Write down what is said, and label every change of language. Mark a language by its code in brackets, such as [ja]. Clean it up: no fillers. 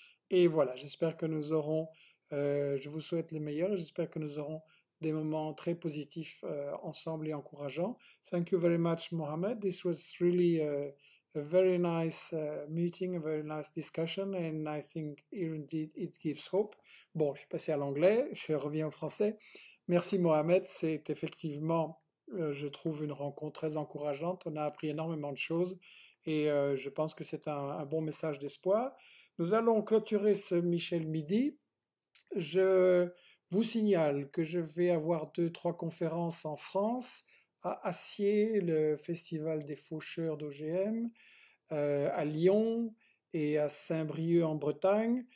[fr] Et voilà, j'espère que nous aurons, je vous souhaite le meilleur, j'espère que nous aurons des moments très positifs ensemble et encourageants. [en] Thank you very much, Mohamed. This was really a very nice meeting, a very nice discussion, and I think indeed it gives hope. [fr] Bon, je suis passé à l'anglais, je reviens au français. Merci, Mohamed, c'est effectivement... je trouve une rencontre très encourageante. On a appris énormément de choses et je pense que c'est un bon message d'espoir. Nous allons clôturer ce Michel Midi. Je vous signale que je vais avoir 2-3 conférences en France, à Assier, le Festival des Faucheurs d'OGM, à Lyon et à Saint-Brieuc en Bretagne.